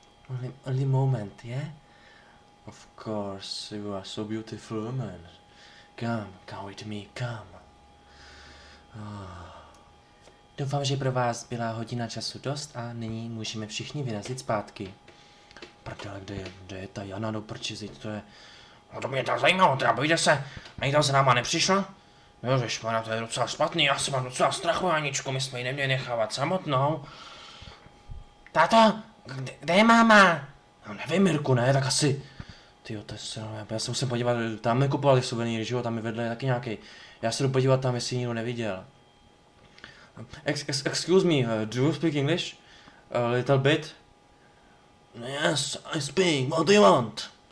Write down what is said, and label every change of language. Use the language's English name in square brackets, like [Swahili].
[English] Okay, but only moment, yeah? Of course, you are so beautiful woman. Come with me, come. [Czech] Doufám, že pro vás byla hodina času dost a nyní můžeme všichni vyrazit zpátky. Prdele, kde je ta Jana do prčizy, to je... No to mě tak zajímalo, teda bojte se, nikdo se náma nepřišla? Ježišmarja, to je docela špatný, já jsem mám docela strachu, Aničku, my jsme ji neměli nechávat samotnou. Tato, kde je máma? No nevím, Mirku, ne, tak asi. Tyjo, to je sranové, já se musím podívat, tam mi kupovali suvenýry, že jo, tam mi vedle je taky nějaký. Já se jdu podívat tam, jestli nikdo neviděl. [English] Excuse me, do you speak English? A little bit? Yes, I speak, what do you want?